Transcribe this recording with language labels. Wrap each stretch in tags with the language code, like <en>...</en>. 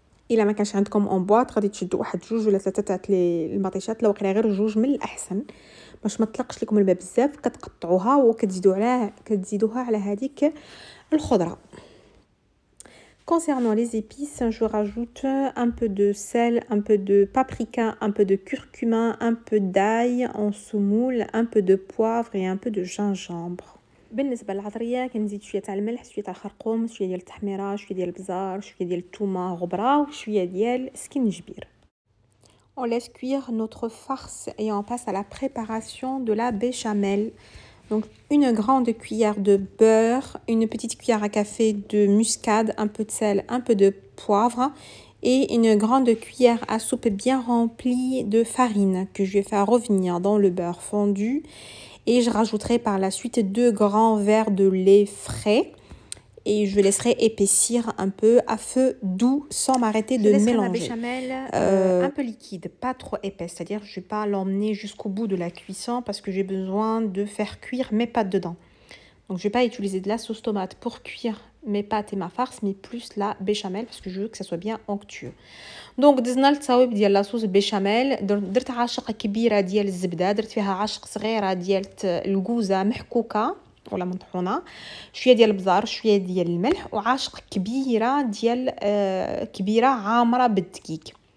<ar>الا ما كانش عندكم اون بواط غادي تشدوا واحد جوج ولا ثلاثه تاع لي المطيشات، لو كان غير جوج من الاحسن باش ما تطلقش لكم الماء بزاف. كتقطعوها وكتزيدوا عليها كتزيدوها على هذيك الخضره.</ar> <fr>concernant les épices, je rajoute un peu de sel, un peu de paprika, un peu de curcuma, un peu d'ail en semoule, un peu de poivre et un peu de gingembre.</fr> <ar>بالنسبة للعطرية كنزيد شوية تاع الملح، شوية تاع الخرقوم، شوية ديال التحميرة، شوية ديال البزار، شوية ديال التومة غبرة، وشوية ديال سكينجبير.</ar> <fr>On laisse cuire notre farce et on passe à la préparation de la béchamel. Donc une grande cuillère de beurre, une petite cuillère à café de muscade, un peu de sel, un peu de poivre et une grande cuillère à soupe bien remplie de farine que je vais faire revenir dans le beurre fondu. Et je rajouterai par la suite 2 grands verres de lait frais. Et je laisserai épaissir un peu à feu doux sans m'arrêter de mélanger. Je laisserai la béchamel un peu liquide, pas trop épaisse. C'est-à-dire, je ne vais pas l'emmener jusqu'au bout de la cuisson parce que j'ai besoin de faire cuire mes pâtes dedans. Donc, je ne vais pas utiliser de la sauce tomate pour cuire mes pâtes et ma farce, mais plus la béchamel parce que je veux que ça soit bien onctueux.</fr> <ar>Donc, dizna ltsawib ديال la sauce béchamel, درت عشق كبيره ديال الزبده، درت فيها عشق صغيره ديال الكوزه محكوكه ولا مطحونه، شويه ديال البزار، شويه ديال الملح، وعشق كبيره ديال كبيره عامره بالدقيق.</ar>